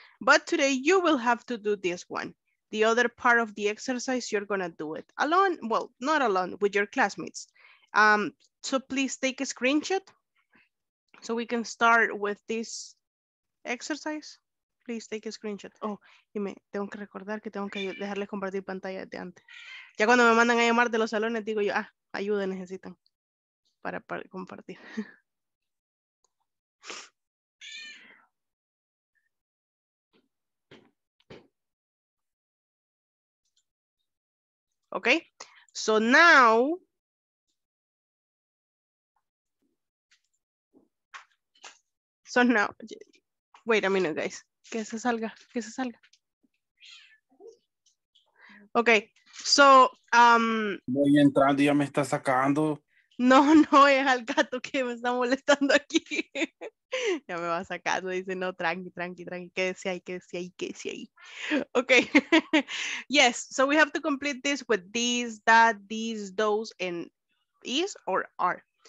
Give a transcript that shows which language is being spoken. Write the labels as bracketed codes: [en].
[en] But today you will have to do this one. The other part of the exercise, you're going to do it alone. Well, not alone, with your classmates. So please take a screenshot so we can start with this exercise. Please take a screenshot. [es] Oh, y me tengo que recordar que tengo que dejarles compartir pantalla desde antes. Ya cuando me mandan a llamar de los salones, digo yo, ah, ayuda necesitan para compartir. [en] Okay, so now wait a minute, guys. [es] Que se salga. [en] Okay, so [es] voy entrando y ya me está sacando. No, es al gato que me está molestando aquí. Ya me va sacando, dice, no, tranqui, quédese ahí. [en] Okay, yes, so we have to complete this with these, that, these, those, and is or are.